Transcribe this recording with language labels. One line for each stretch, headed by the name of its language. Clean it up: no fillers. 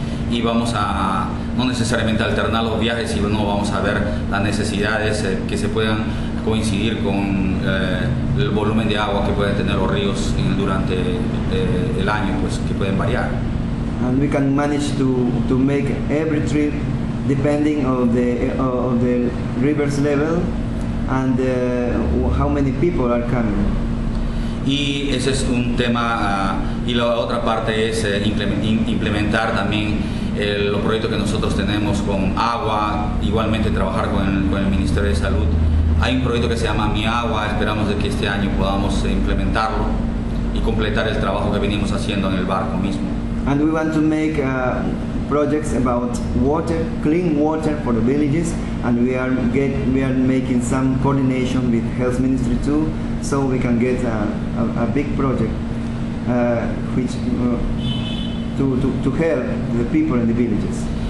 Spanish: Y vamos a no necesariamente alternar los viajes, sino vamos a ver las necesidades que se puedan coincidir con el volumen de agua que pueden tener los ríos durante el año, pues que pueden variar.
English: And we can manage to make every trip depending of the river's level and how many people are coming.
Spanish: Y ese es un tema, y la otra parte es implementar también los proyectos que nosotros tenemos con agua, igualmente trabajar con el Ministerio de Salud. Hay un proyecto que se llama Mi Agua, esperamos de que este año podamos implementarlo y completar el trabajo que venimos haciendo en el barco mismo.
English: And we want to make projects about water, clean water for the villages, and we are making some coordination with Health Ministry too, so we can get a big project which to help the people in the villages.